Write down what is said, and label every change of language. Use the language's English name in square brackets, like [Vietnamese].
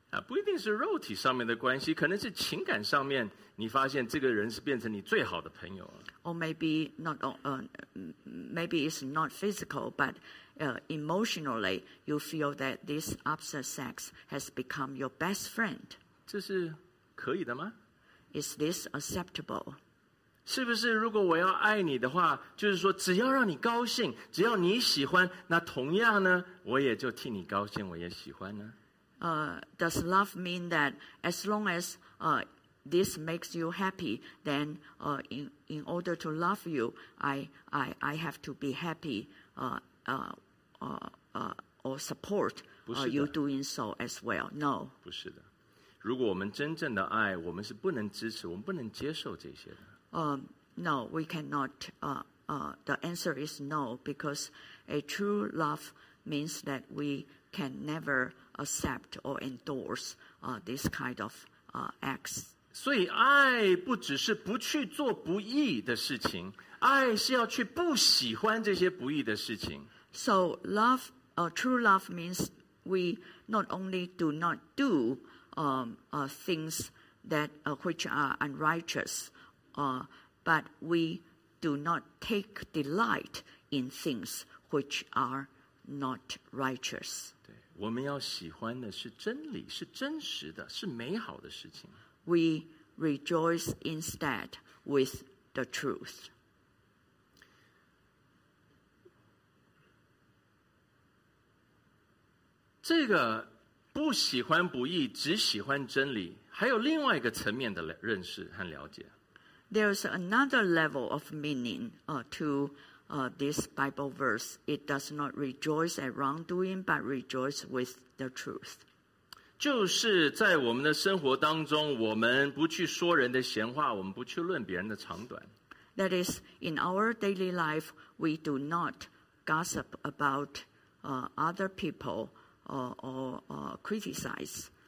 [Chinese] 不一定是肉体上面的关系，可能是情感上面，你发现这个人是变成你最好的朋友了。 [English] Or maybe not, maybe it's not physical, but emotionally, you feel that this opposite sex has become your best friend. [Chinese] 这是可以的吗？ [English] Is this acceptable? [Chinese] 是不是如果我要爱你的话，就是说只要让你高兴，只要你喜欢，那同样呢，我也就替你高兴，我也喜欢呢？ [English] Does love mean that as long as this makes you happy, then in order to love you, I have to be happy or support you doing so as well? No. [Chinese] 不是的。如果我们真正的爱，我们是不能支持，我们不能接受这些的。 [English] No, we cannot. The answer is no, because a true love means that we can never. Accept or endorse this kind of acts. [Chinese] 所以爱不只是不去做不义的事情，爱是要去不喜欢这些不义的事情。 [English] So love, true love means we not only do not do things that which are unrighteous, but we do not take delight in things which are not righteous. [Chinese] 我们要喜欢的是真理，是真实的，是美好的事情。 [English] We rejoice instead with the truth. [Chinese] 这个不喜欢不义，只喜欢真理，还有另外一个层面的认识和了解。 [English] There's another level of meaning, to. This Bible verse, it does not rejoice at wrongdoing, but rejoice with the truth. [Chinese] 就是在我们的生活当中，我们不去说人的闲话，我们不去论别人的长短。 [English] That is, in our daily life, we do not gossip about other people or criticize.